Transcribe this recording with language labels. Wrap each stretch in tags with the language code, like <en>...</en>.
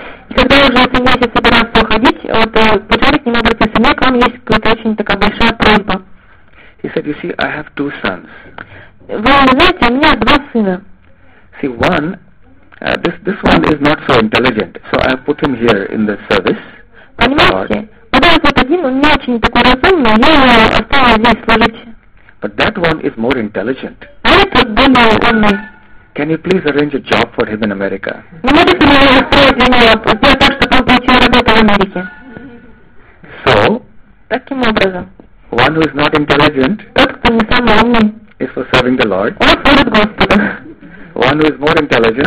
<ru>И когда уже сannyasi собирался уходить, вот пожарить к нему обратился, мне к вам есть какая-то очень такая большая просьба.</ru> <en>He said, you see, I have two sons.</en> <ru>Вы знаете, у меня два сына.</ru> <en>See, one, this one is not so intelligent, so I put him here in the service.</en> <ru>Понимаете, вот этот один, он не очень такой разумный, я его оставил здесь служить.</ru> <en>But that one is more intelligent.</en> <ru>А этот более умный.</ru> <en>Can you please arrange a job for him in America?</en> <ru>Не можете ли вы устроить для него, сделать так, чтобы он получил работу в Америке?</ru> <en>So,</en> <ru>таким образом,</ru> <en>one who is not intelligent,</en> <ru>тот, кто не самый умный,</ru> <en>is for serving the Lord.</en> <ru>Он служит Господу.</ru> <en>One who is more intelligent,</en>